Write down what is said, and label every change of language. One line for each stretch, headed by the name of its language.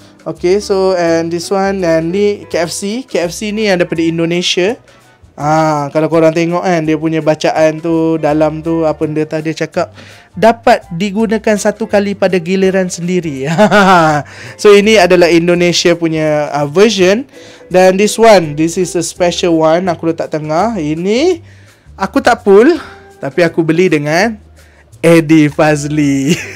English: Okay, so and this one, and ni KFC.
Malay: KFC ni yang daripada Indonesia. Kalau korang tengok kan, dia punya bacaan tu, dalam tu, apa dia tadi cakap, dapat digunakan satu kali pada giliran sendiri. So ini adalah Indonesia punya version.
English: Dan this one, this is a special one.
Malay: Aku letak tengah. Ini aku tak pull, tapi aku beli dengan Eddie Fazli.